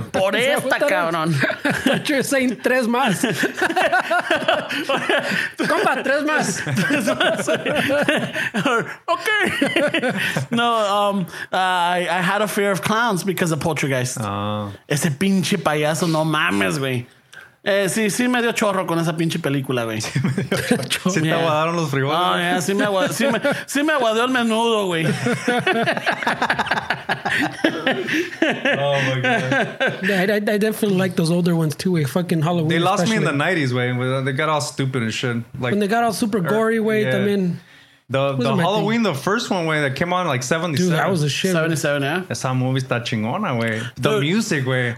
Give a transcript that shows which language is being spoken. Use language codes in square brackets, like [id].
[es] Por esta, cabrón. [en] But you're saying [es] tres más. Compa, tres más. Tres más. [en] Okay. No, I had a fear of clowns because of Poltergeist. [es] Ese pinche payaso, no mames, güey. Sí, me dio chorro con esa pinche película, güey. Sí, sí te aguadaron los frijoles. Oh, yeah, sí me aguadeó el menudo, güey. [en] Oh, my God. Yeah, I definitely like those older ones, too, güey. Fucking Halloween. They lost especially. Me in the 90s, güey. They got all stupid and shit. Like, when they got all super gory, güey, yeah. I mean... The Halloween, the first one, way that came out in like 77. Dude, that was a shit. 77, yeah. [es] Esa movie está chingona, way. [en] The music, [es] way.